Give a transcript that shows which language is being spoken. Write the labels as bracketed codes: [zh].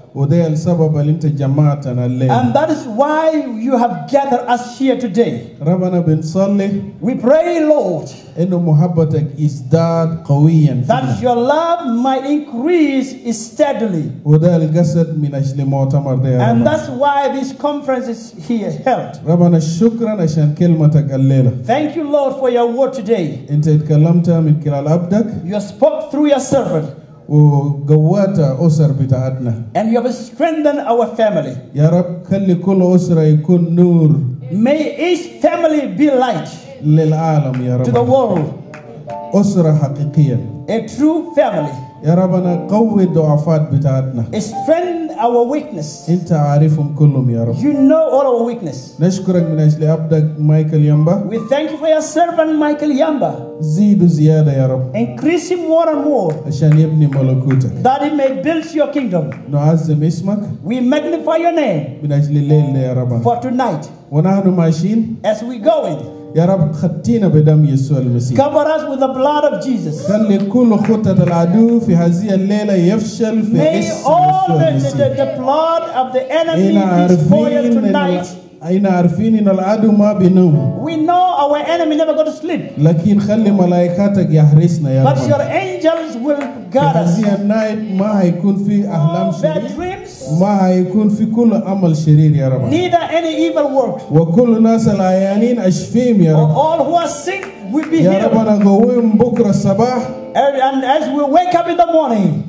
[ar] وده السبب اللي انت جمعتنا الليل. [en] And that is why you have gathered us here today. [ar] ربنا بنصلي. [en] We pray, Lord. [ar] إنه محبتك ازداد قويا. [en] That your love might increase steadily. [ar] وده الجسد من أجل مؤتمر ده. [en] And that's why this conference is here held. [ar] ربنا شكرا عشان كلمتك الليلة. [en] Thank you, Lord, for your word today. [ar] انت اتكلمت من خلال عبدك. [en] You spoke through your servant. [ar] وقوّتَ أسر بتاعتنا. [en] And you have strengthened our family. [ar] يا رب خلي كل أسرة يكون نور. [en] May each family be light. [ar] للعالم يا رب. [en] To the world. [ar] أسرة حقيقية. [en] A true family. [ar] يا رب أنا قوّ الضعفات بتاعتنا. [en] Strengthen our weakness. [ar] أنت عارفهم كلهم يا رب. [en] You know all our weakness. [ar] نشكرك من أجل عبدك مايكل يامبا. [en] We thank you for your servant Michael Yamba. [ar] زيد زيادة يا رب. [en] Increase him more and more. [ar] عشان يبني ملكوتك. [en] That he may build your kingdom. [ar] نعظم اسمك. [en] We magnify your name. [ar] من أجل الليل يا رب. [en] For tonight. [ar] ونحن ماشيين. [en] As we go in. [ar] يا رب خطينا بدم يسوع المسيح. [en] Cover us with the blood of Jesus. [ar] خلي كل خطة العدو في هذه الليلة يفشل في اسم يسوع المسيح. [en] May all the blood of the enemy be spoiled tonight. [ar] أين عارفين إن العدو ما بينهم. [en] We know our enemy never go to sleep. [ar] لكن خلي ملائكتك يحرسنا يا رب. [en] But your angels will guard us. [ar] في هذه النايت ما هيكون في أحلام شرير. ما هيكون في كل عمل شرير يا رب. [en] Neither any evil work. [ar] وكل الناس العيانين أشفيهم يا رب. [en] All who are sick will be healed. [ar] يا رب أنا قويم بكرة الصباح. [en] And as we wake up in the morning.